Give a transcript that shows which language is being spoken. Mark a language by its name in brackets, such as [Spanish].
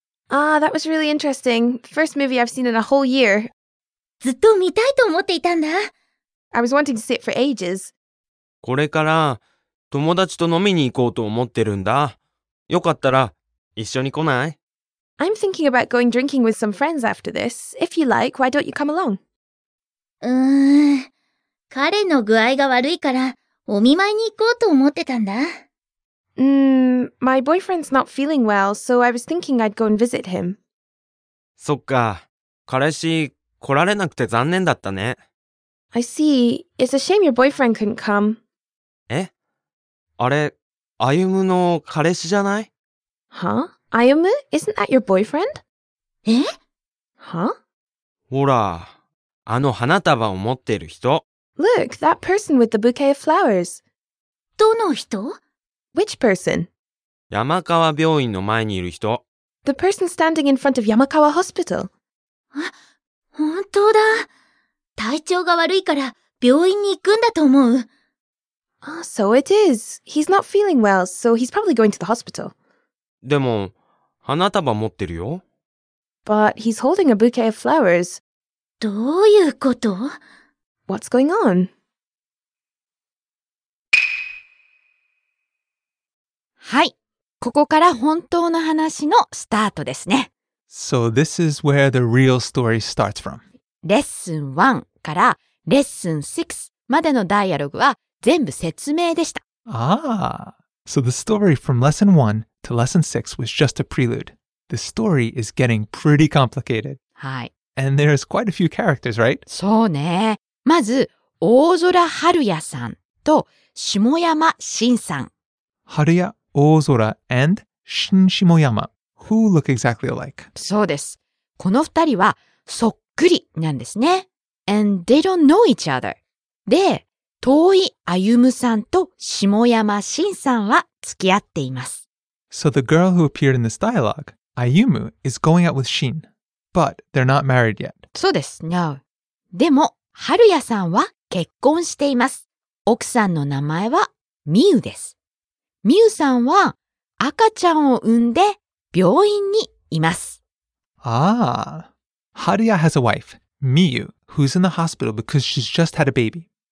[English] Ah, that was really interesting. First movie I've seen in a whole year. [Japanese] ずっと見たいと思っていたんだ。 [English] I was wanting to see it for ages. [Japanese] これから友達と飲みに行こうと思ってるんだ。よかったら一緒に来ない？ [English] I'm thinking about going drinking with some friends after this. If you like, why don't you come along? [Japanese] 彼の具合が悪いからお見舞いに行こうと思ってたんだ。 [English] My boyfriend's not feeling well, so I was thinking I'd go and visit him. [Japanese] そっか、彼氏来られなくて残念だったね。 [English] I see. It's a shame your boyfriend couldn't come. [Japanese] え？あれ、アユムの彼氏じゃない？ [English] Huh? アユム？Isn't that your boyfriend? [Japanese] え？ [English] Huh? [Japanese] ほら、あの花束を持っている人。 [English] Look, that person with the bouquet of flowers. [Japanese] どの人？ [English] Which person? [Japanese] 山川病院の前にいる人。 [English] The person standing in front of 山川 hospital. [Japanese] あ、本当だ。体調が悪いから病院に行くんだと思う。 [English] Ah, so it is. He's not feeling well, so he's probably going to the hospital. [Japanese] でも、花束持ってるよ。 [English] But he's holding a bouquet of flowers. [Japanese] どういうこと？ [English] What's going on? [Japanese] はい、ここから本当の話のスタートですね。 [English] So this is where the real story starts from. [Japanese] レッスン1からレッスン6までのダイアログは全部説明でした。 [English] Ah, so the story from lesson 1 to lesson 6 was just a prelude. The story is getting pretty complicated. [Japanese] はい。 [English] And there's quite a few characters, right? [Japanese] そうね。まず、大空春也さんと下山慎さん。 [English] 春也、大空 and 新下山 who look exactly alike? [Japanese] そうです。この二人はそっくりなんですね。 [English] And they don't know each other. [Japanese] で、遠い歩さんと下山慎さんは付き合っています。 [English] So the girl who appeared in this dialogue, 歩 is going out with 慎 but they're not married yet. [Japanese] そうです。 [English] No. [Japanese] でも、春也さんは結婚しています。奥さんの名前はミウです。ミウさんは赤ちゃんを産んで病院にいます。 [English] ああ、Haruya has a wife, Miyu, who's in the hospital because she's just had a baby.